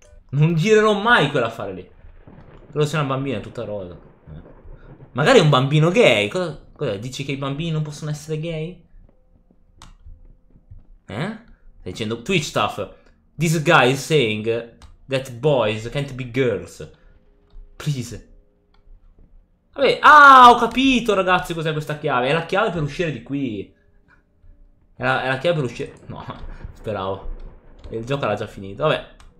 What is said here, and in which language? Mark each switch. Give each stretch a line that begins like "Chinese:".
Italian: Non girerò mai quell'affare lì. Però se è una bambina è tutta rosa. Magari è un bambino gay. Cosa dici che i bambini non possono essere gay? Stai dicendo Twitch stuff.
English: This guy is saying that boys can't be girls. Please.
Italian: Vabbè, ah, ho capito, ragazzi, cos'è questa chiave. È la chiave per uscire di qui. È la chiave per uscire. No, speravo. Il gioco era già finito. Vabbè.